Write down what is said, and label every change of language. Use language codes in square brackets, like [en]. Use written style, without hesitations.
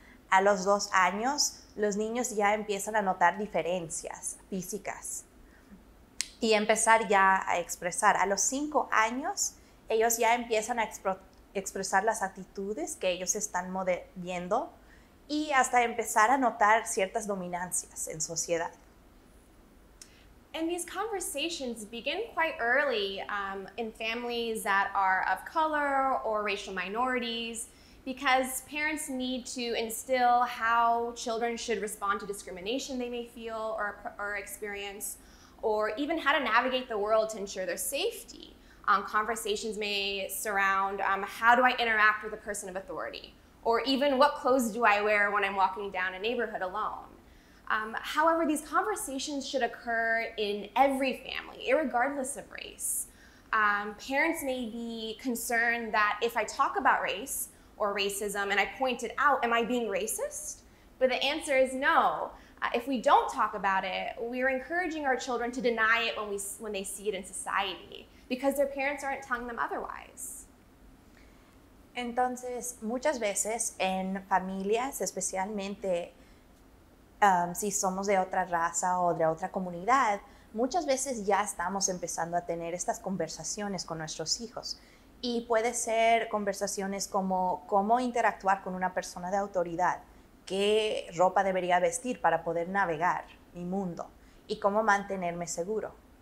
[es] A los 2 años, los niños ya empiezan a notar diferencias físicas y empezar ya a expresar. A los 5 años, ellos ya empiezan a expresar las actitudes que ellos están viendo y hasta empezar a notar ciertas dominancias en sociedad. [en] And these conversations begin quite early in families that are of color or racial minorities because parents need to instill how children should respond to discrimination they may feel or experience, or even how to navigate the world to ensure their safety. Conversations may surround how do I interact with a person of authority, or even what clothes do I wear when I'm walking down a neighborhood alone. However, these conversations should occur in every family, irregardless of race. Parents may be concerned that if I talk about race or racism and I point it out, am I being racist? But the answer is no. If we don't talk about it, we're encouraging our children to deny it when they see it in society because their parents aren't telling them otherwise. [es] Entonces, muchas veces en familias, especialmente si somos de otra raza o de otra comunidad, muchas veces ya estamos empezando a tener estas conversaciones con nuestros hijos. Y puede ser conversaciones como cómo interactuar con una persona de autoridad, qué ropa debería vestir para poder navegar mi mundo y cómo mantenerme seguro.